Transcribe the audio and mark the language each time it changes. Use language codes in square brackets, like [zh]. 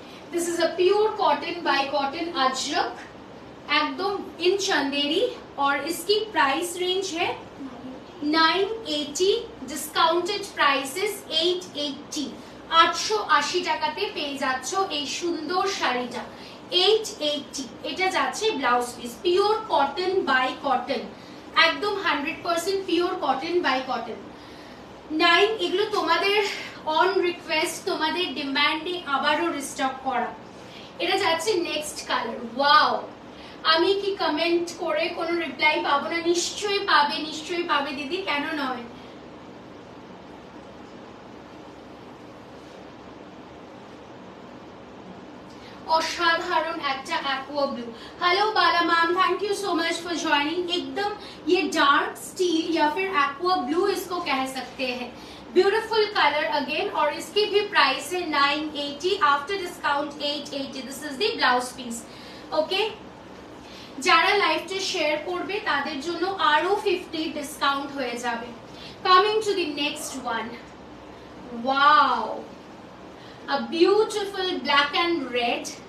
[en] This is a pure cotton by cotton ajrak, একদম in chanderi, [hi] aur iski price range hai 980, [en] discounted price is 880, [bn] 880 টাকাতে পেয়ে যাচ্ছ এই সুন্দর শাড়িটা 880। এটা যাচ্ছে [en] Blouse piece, pure cotton by cotton, একদম 100% pure cotton by cotton. [bn] এগুলো তোমাদের অন রিকোয়েস্ট, তোমাদের ডিমান্ডে আবারও রিস্টক করা। এটা যাচ্ছে নেক্সট কালার, ওয়াও! আমি কি কমেন্ট করে কোনো রিপ্লাই পাবো না? নিশ্চয়ই পাবে, নিশ্চয়ই পাবে দিদি, কেন নয়। অসাধারণ একটা [en] Aqua blue. Hello Bala ma'am, thank you so much for joining. একদম ইয়ে dark steel [hi] ইয়া ফির [en] aqua blue [hi] ইসকো কেহ সকতে হ্যায়, [en] beautiful colour again, [hi] or ইসকি V price হ্যায় 980, [en] After discount 880, this is the blouse piece, okay? [bn] যারা লাইভটা শেয়ার করবে তাদের জন্য আরো 50 ডিসকাউন্ট হয়ে যাবে। [en] Coming to the next one, wow! A beautiful black and red.